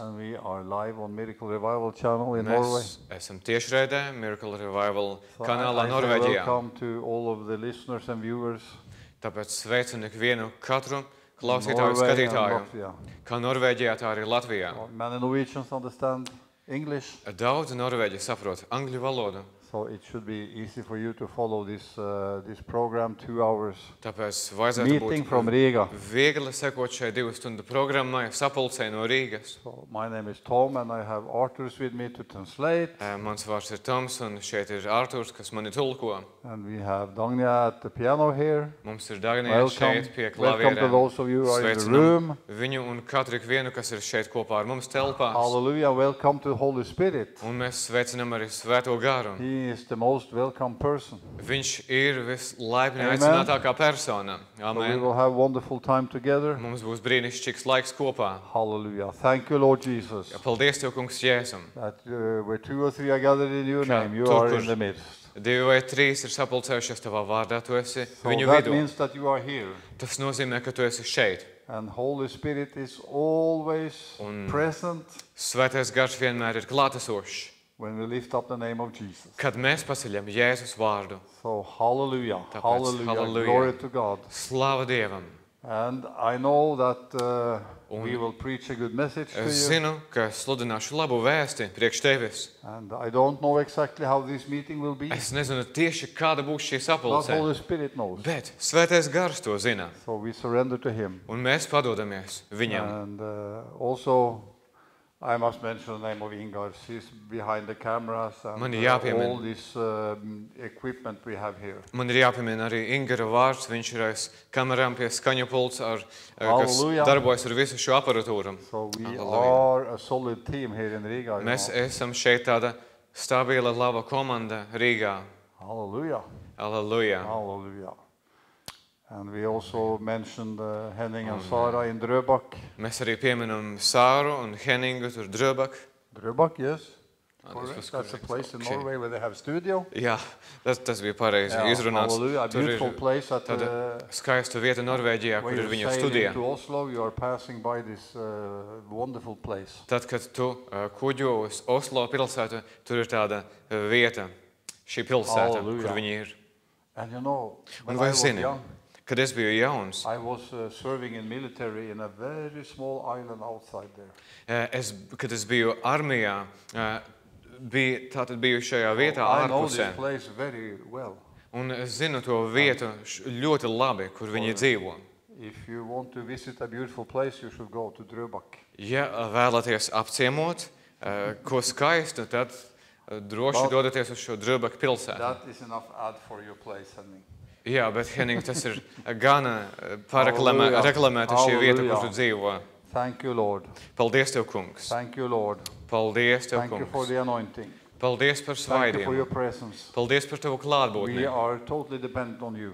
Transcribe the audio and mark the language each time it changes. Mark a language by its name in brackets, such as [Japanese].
[English] And we are live on Miracle Revival channel in Norway. [Latvian] Mēs esam tiešraidē Miracle Revival kanālā Norvēģijā. [English] Welcome to all of the listeners and viewers. [Latvian] Tāpēc sveicinu ikvienu katru klausītāju skatītāju. Kā Norvēģijā, tā arī Latvijā. [English] Many Norwegians understand English. [Latvian] Daudz Norvēģi saprot angļu valodu. [English] So it should be easy for you to follow this this program 2 hours. [Latvian] Tāpēc vajadzētu [English] meeting from Riga. [Latvian] Viegli sekot šai 2 stundu programmai sapulcē no Rīgas. [English] So my name is Tom and I have Arturs with me to translate. [Latvian] Mans vārds ir Toms un šeit ir Arturs, kas mani tulko. [English] And we have Dagnija at the piano here. [Latvian] Mums ir Dagnija šeit pie klavierēm. [English] Welcome to those of you who are in the room. [Latvian] Viņu un katru ikvienu, kas ir šeit kopā ar mums telpās. [English] Hallelujah, welcome to the Holy Spirit. [Latvian] Un mēs sveicinām arī Svēto Garu. [English] He is the most welcome person. [Latvian] Viņš ir vislaipnākā aicinātākā persona. [English] Amen. So we will have wonderful time together. [Latvian] Mums būs brīnišķīgs laiks kopā. [English] Hallelujah. Thank you, Lord Jesus. [Latvian] Paldies Tev, Kungs Jēzum. [English] That where 2 or 3 are gathered in your name, you are in the midst. [Latvian] Divi vai trīs ir sapulcējušies Tavā vārdā, Tu esi viņu [English] So that means that you are here. [Latvian] Tas nozīmē, ka Tu esi šeit. [English] And Holy Spirit is always present. [Latvian] Svētais Gars vienmēr ir klātesošs. [English] When we lift up the name of Jesus. [Latvian] Kad mēs pasaļam Jēzus vārdu. [English] So hallelujah. [Latvian] Tāpēc, [English] hallelujah. Hallelujah. Glory to God. [Latvian] Slava Dievam. [English] And I know that we will preach a good message to you. [Latvian] Es zinu, ka sludināšu labu vēsti priekš tevis. [English] And I don't know exactly how this meeting will be. [Latvian] Es nezinu tieši, kāda būs šī sapulce. [English] But Holy Spirit knows. [Latvian] Bet Svētais Gars to zina. [English] So we surrender to him. [Latvian] Un mēs padodamies viņam. [English] And also I must mention the name of Ingar. She's behind the cameras and all this equipment we have here. [Latvian] Man ir jāpiemina arī Ingara vārds, viņš ir aiz kamerām pie skaņupults, kas darbojas ar visu šo aparatūru. [English] So we are a solid team here in Riga. [Latvian] Mēs esam šeit tāda stabila, laba komanda Rīgā. [English] Hallelujah. Hallelujah. Hallelujah. And we also mentioned Henning and Sara in Drøbak. [Latvian] Mēs arī pieminam Sāru un Henningu tur Drøbak. [English] Drøbak, yes. Correct. That's a place in Norway where they have studio. [Latvian] Jā, tas bija pareizi izrunāts. [English] Hallelujah, a beautiful place at the [Latvian] skaista vieta Norvēģijā, kur ir viņa studija. [English] To Oslo, you are passing by this wonderful place. [Latvian] Tad, kad tu kuģo uz Oslo pilsētu, tur ir tāda vieta, šī pilsēta, [English] Hallelujah. [Latvian] Kur viņa ir. [English] And you know, when I was young, [Latvian] kad es biju jauns. [English] I was serving in military in a very small island outside there. [Latvian] Es, kad es biju armijā, biju, tātad biju šajā vietā ārpusē. [English] I know this place very well. [Latvian] Un es zinu to vietu ļoti labi, kur viņi dzīvo. [English] If you want to visit a beautiful place, you should go to Drøbak. [Latvian] Ja vēlaties apciemot, ko skaistu, tad droši [English] But [Latvian] dodaties uz šo Drøbak pilsētu. [English] That is enough ad for your place, honey. [Latvian] Jā, bet Henning, tas ir gana pareklamēta šī vieta, kur tu dzīvo. [English] Thank you, Lord. [Latvian] Paldies Tev, Kungs. [English] Thank you, Lord. [Latvian] Paldies Tev, Kungs. [English] Thank you for the anointing. [Latvian] Paldies par svaidiem. [English] Thank you for your presence. [Latvian] Paldies par Tavu klātbūtni. [English] We are totally dependent on you.